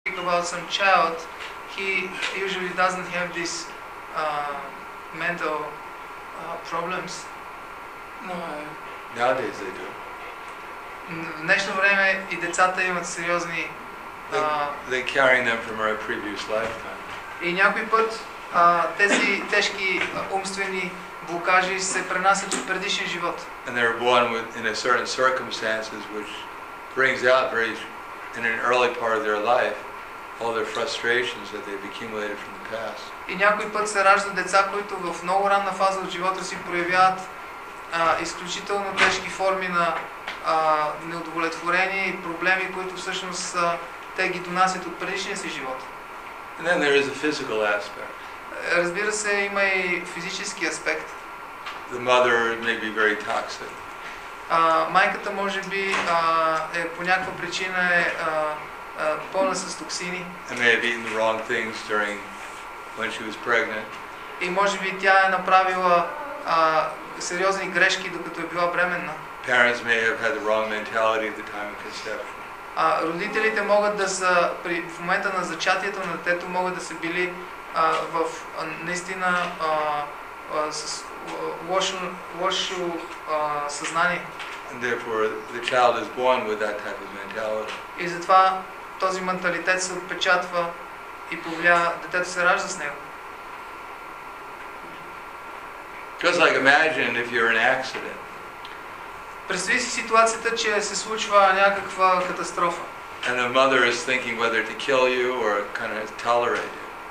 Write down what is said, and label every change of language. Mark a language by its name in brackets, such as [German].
[English] think about some child, he usually doesn't have these mental problems. No. Nowadays they do. [Bulgarian] В днешно време и децата имат сериозни. [English] They're carrying them from our previous lifetime. [Bulgarian] И някой път тези тежки умствени блокажи се пренасят от предишен живот. [English] And they're born with, in a certain circumstances which brings out very in an early part of their life all their frustrations that they've accumulated from the past. [Bulgarian] И някой път се раждат деца, които в много ранна фаза от живота си проявяват изключително тежки форми на неудовлетворение и проблеми, които всъщност те ги донасят от предишния си живот. [English] And then there is a physical aspect. [Bulgarian] Разбира се, има и физически аспект. [English] The mother may be very toxic. [Bulgarian] Майката може би е по някаква причина е пълна с токсини. [English] And may have eaten the wrong things during when she was pregnant. [Bulgarian] И може би тя е направила сериозни грешки докато е била бременна. [English] Parents may have had the wrong mentality at the time of conception. [Bulgarian] Родителите могат да са в момента на зачатието на детето могат да са били в наистина с лошо съзнание. [English] And therefore the child is born with that type of mentality. [Bulgarian] И затова този менталитет се отпечатва и повлиява детето се ражда с него. [English] Just like imagine if you're in an accident. [Bulgarian] Представи си ситуацията, че се случва някаква катастрофа. [English] And the mother is thinking whether to kill you or kind of tolerate you.